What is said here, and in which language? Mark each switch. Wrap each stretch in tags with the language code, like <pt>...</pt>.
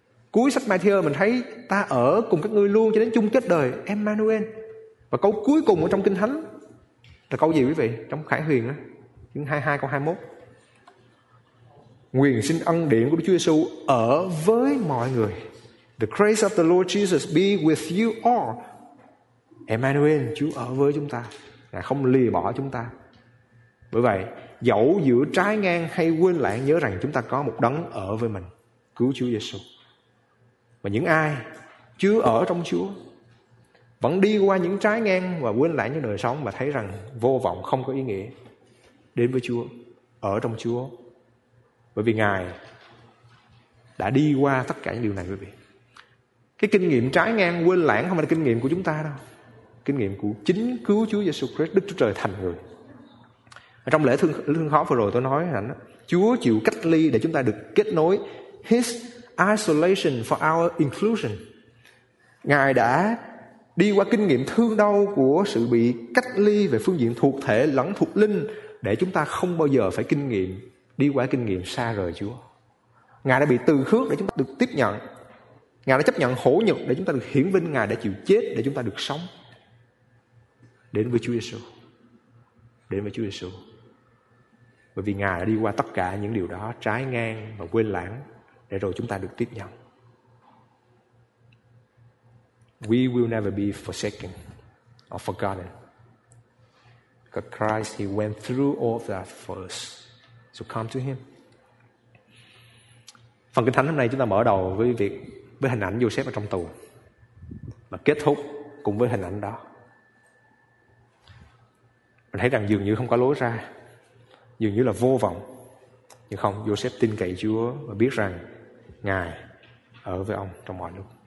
<vi>Cuối sách Matthew mình thấy: ta ở cùng các ngươi luôn cho đến chung kết đời, Emmanuel. Và câu cuối cùng ở trong Kinh Thánh là câu gì quý vị? Trong Khải Huyền á, chương 22 câu 21: nguyện xin ân điển của Đức Chúa Giêsu ở với mọi người.</vi> <en>The grace of the Lord Jesus be with you all.</en> <vi>Emmanuel, Chúa ở với chúng ta, Ngài không lìa bỏ chúng ta. Bởi vậy, dẫu giữa trái ngang hay quên lãng, nhớ rằng chúng ta có một đấng ở với mình, cứu Chúa Giêsu. Và những ai chưa ở trong Chúa vẫn đi qua những trái ngang và quên lãng trong đời sống và thấy rằng vô vọng, không có ý nghĩa, đến với Chúa, ở trong Chúa. Bởi vì Ngài đã đi qua tất cả những điều này, quý vị. Cái kinh nghiệm trái ngang quên lãng không phải là kinh nghiệm của chúng ta đâu. Kinh nghiệm của chính cứu Chúa Jesus Christ, Đức Chúa Trời thành người. Ở trong lễ thương khó vừa rồi tôi nói rằng Chúa chịu cách ly để chúng ta được kết nối.</vi> <en>His isolation for our inclusion.</en> <vi>Ngài đã đi qua kinh nghiệm thương đau của sự bị cách ly về phương diện thuộc thể lẫn thuộc linh, để chúng ta không bao giờ phải kinh nghiệm đi qua kinh nghiệm xa rời Chúa. Ngài đã bị từ khước để chúng ta được tiếp nhận. Ngài đã chấp nhận hổ nhục để chúng ta được hiển vinh. Ngài đã chịu chết để chúng ta được sống. Đến với Chúa Giêsu, đến với Chúa Giêsu. Bởi vì Ngài đã đi qua tất cả những điều đó, trái ngang và quên lãng, để rồi chúng ta được tiếp nhận.</vi> <en>We will never be forsaken or forgotten. Because Christ, He went through all that for us. So come to Him.</en> <vi>Phần Kinh Thánh hôm nay chúng ta mở đầu với việc với hình ảnh Joseph ở trong tù, và kết thúc cùng với hình ảnh đó. Mình thấy rằng dường như không có lối ra, dường như là vô vọng. Nhưng không, Joseph tin cậy Chúa và biết rằng Ngài ở với ông trong mọi lúc.</vi>